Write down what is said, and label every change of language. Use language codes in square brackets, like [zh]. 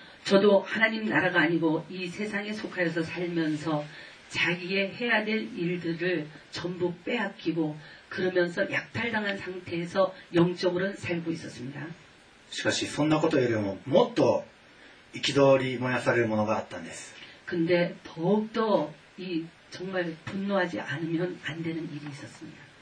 [ko] 저도 하나님 나라가 아니고 이 세상에 속하여서 살면서 자기의 해야 될 일들을 전부 빼앗기고 그러면서 약탈당한 상태에서 영적으로는 살고 있었습니다. [ja] しかしそんなことよりももっと憤り燃やされるものがあったんです。 [ko] 근데 더욱더 이 정말 분노하지 않으면 안 되는 일이 있었습니다.